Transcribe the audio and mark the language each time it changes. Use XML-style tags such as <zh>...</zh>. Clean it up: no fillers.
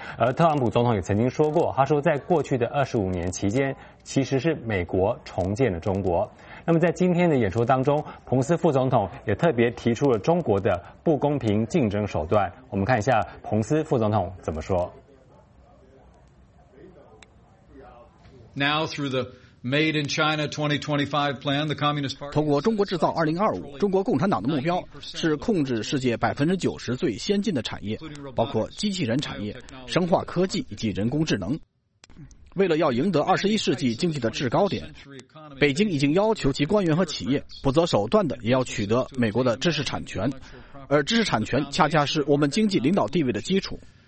<zh>而特朗普总统也曾经说过，他说在过去的25年期间，其实是美国重建了中国。那么在今天的演说当中，彭斯副总统也特别提出了中国的不公平竞争手段。我们看一下彭斯副总统怎么说。</zh> <en>Now through the Made in China 2025 plan, the Communist Party.</en> <zh>通过中国制造2025，中国共产党的目标是控制世界90%最先进的产业，包括机器人产业、生化科技以及人工智能。为了要赢得21世纪经济的制高点，北京已经要求其官员和企业不择手段的也要取得美国的知识产权，而知识产权恰恰是我们经济领导地位的基础。</zh>